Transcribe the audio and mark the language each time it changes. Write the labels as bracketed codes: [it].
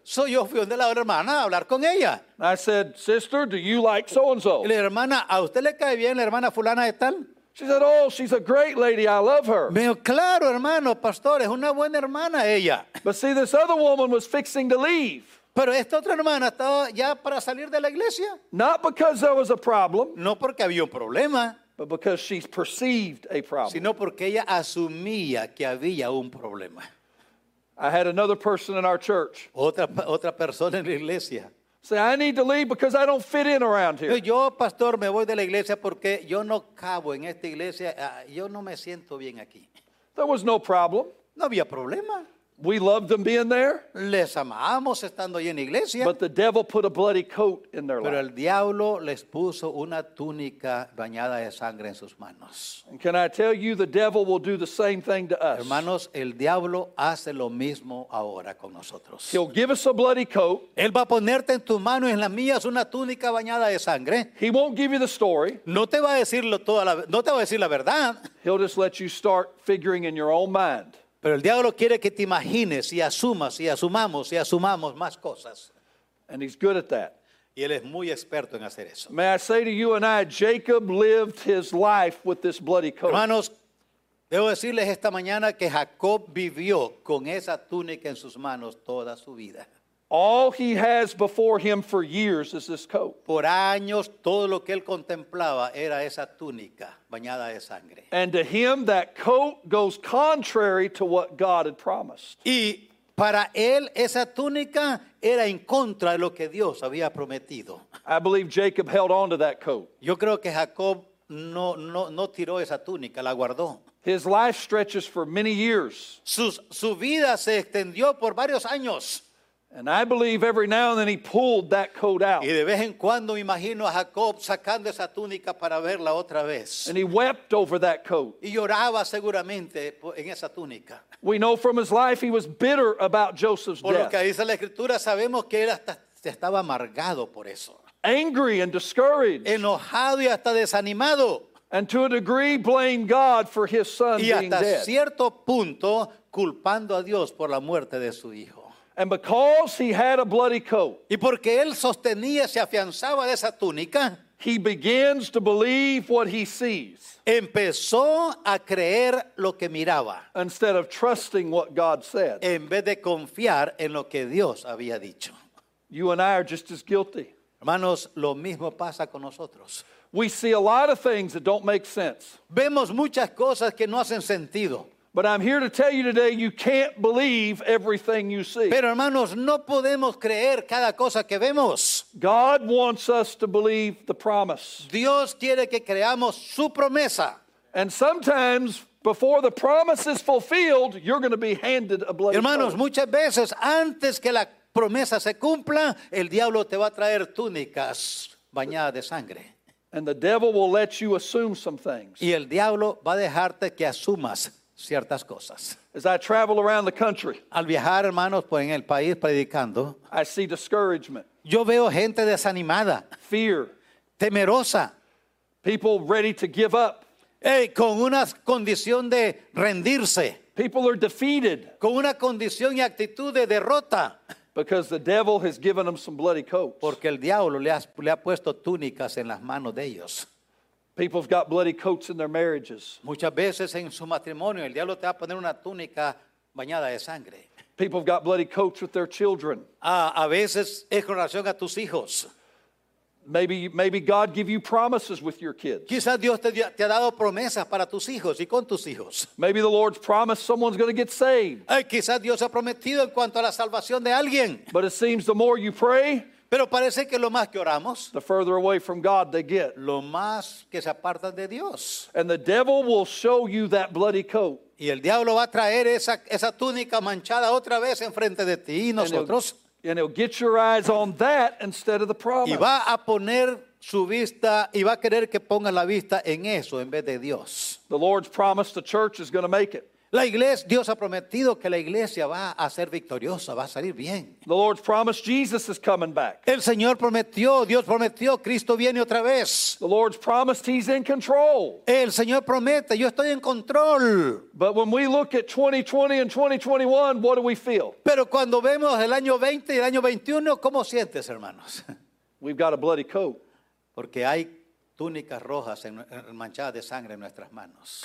[es] So yo fui donde la otra hermana a hablar con ella. [en] I said, sister, do you like so and so? [es] La hermana, ¿a usted le cae bien la hermana fulana de tal? [en] She said, oh, she's a great lady. I love her. [es] Pero claro, hermano, pastor, es una buena hermana ella. [en] But see, this other woman was fixing to leave. [es] Pero esta otra hermana estaba ya para salir de la iglesia. [en] Not because there was a problem. [es] No porque había un problema. [en] But because she perceived a problem. [es] Sino porque ella asumía que había un problema. [en] I had another person in our church. [es] Otra persona en la iglesia. [en] Say, I need to leave because I don't fit in around here. [es] Yo, pastor, me voy de la iglesia porque yo no cabo en esta iglesia. Yo no me siento bien aquí. [en] There was no problem. [es] No había problema. [en] We loved them being there. [es] Les amamos estando ahí en la iglesia. [en] But the devil put a bloody coat in their life. [es] Pero el diablo les puso una túnica bañada de sangre en sus manos. [en] And can I tell you, the devil will do the same thing to us. [es] Hermanos, el diablo hace lo mismo ahora con nosotros. [en] He'll give us a bloody coat. [es] Él va a ponerte en tus manos y en las mías una túnica bañada de sangre. [en] He won't give you the story. [es] No te va a decir la verdad. [en] He'll just let you start figuring in your own mind. [es] Pero el diablo quiere que te imagines y asumas y asumamos y asumamos más cosas. [en] And he's good at that. [es] Y él es muy experto en hacer eso. [en] May I say to you and I, Jacob lived his life with this bloody coat. [es] Hermanos, debo decirles esta mañana que Jacob vivió con esa túnica en sus manos toda su vida. [en] All he has before him for years is this coat. [es] Por años, todo lo que él contemplaba era esa túnica bañada de sangre. [en] And to him, that coat goes contrary to what God had promised. [es] Y para él, esa túnica era en contra de lo que Dios había prometido. [en] I believe Jacob held on to that coat. [es] Yo creo que Jacob no tiró esa túnica, la guardó. [en] His life stretches for many years. [es] Su vida se extendió por varios años. [en] And I believe every now and then he pulled that coat out. [es] Y de vez en cuando me imagino a Jacob sacando esa túnica para verla otra vez. [en] And he wept over that coat. [es] Y lloraba seguramente en esa túnica. [en] We know from his life he was bitter about Joseph's death. [es] Por lo que dice la escritura sabemos que él hasta estaba amargado por eso. [en] Angry and discouraged. [es] Enojado y hasta desanimado. [en] And to a degree blamed God for his son being dead. [es] Y hasta cierto punto culpando a Dios por la muerte de su hijo. [en] And because he had a bloody coat, [es] y porque él sostenía, se afianzaba de esa túnica, [en] he begins to believe what he sees. [es] Empezó a creer lo que miraba. [en] Instead of trusting what God said. [es] En vez de confiar en lo que Dios había dicho. [en] You and I are just as guilty. [es] Hermanos, lo mismo pasa con nosotros. [en] We see a lot of things that don't make sense. [es] Vemos muchas cosas que no hacen sentido. [en] But I'm here to tell you today, you can't believe everything you see. [es] Pero hermanos, no podemos creer cada cosa que vemos. [en] God wants us to believe the promise. [es] Dios quiere que creamos su promesa. [en] And sometimes, before the promise is fulfilled, you're going to be handed a bloody [es] hermanos, [en] coat. [es] Muchas veces, antes que la promesa se cumpla, el diablo te va a traer túnicas bañadas de sangre. [en] And the devil will let you assume some things. [es] Y el diablo va a dejarte que asumas ciertas cosas. [en] As I travel around the country, [es] al viajar, hermanos, pues, en el país predicando, [en] I see discouragement. [es] Yo veo gente desanimada, [en] fear, [es] temerosa, [en] people ready to give up, [es] hey, con una condición de rendirse, [en] people are defeated, [es] con una condición y actitud de derrota, [en] because the devil has given them some bloody coats, [es] porque el diablo le ha puesto túnicas en las manos de ellos. [en] People have got bloody coats in their marriages. [es] Muchas veces en su matrimonio el diablo te va a poner una túnica bañada de sangre. [en] People have got bloody coats with their children. [es] A veces es con relación a tus hijos. [en] Maybe God give you promises with your kids. [es] Quizás Dios te ha dado promesas para tus hijos y con tus hijos. [en] Maybe the Lord's promised someone's going to get saved. [es] Quizás Dios ha prometido en cuanto a la salvación de alguien. [en] But it seems the more you pray, [es] pero parece que lo más que oramos, [en] the further away from God they get, [es] lo más que se apartan de Dios. [en] And the devil will show you that bloody coat. [es] Y el diablo va a traer esa túnica manchada otra vez enfrente de ti y nosotros. [en] And he'll get your eyes on that instead of the promise. [es] Y va a poner su vista y va a querer que ponga la vista en eso en vez de Dios. [en] The Lord's promise, the church is going to make it. [es] La iglesia, Dios ha prometido que la iglesia va a ser victoriosa, va a salir bien. [en] The Lord's promised Jesus is coming back. [es] El Señor prometió, Dios prometió, Cristo viene otra vez. [en] The Lord's promised he's in control. [es] El Señor promete, yo estoy en control. [en] But when we look at 2020 and 2021, what do we feel? [es] Pero cuando vemos el año 20 y el año 21, ¿cómo sientes, hermanos? [en] We've got a bloody coat. [es] Porque hay túnicas rojas manchadas de sangre en nuestras manos.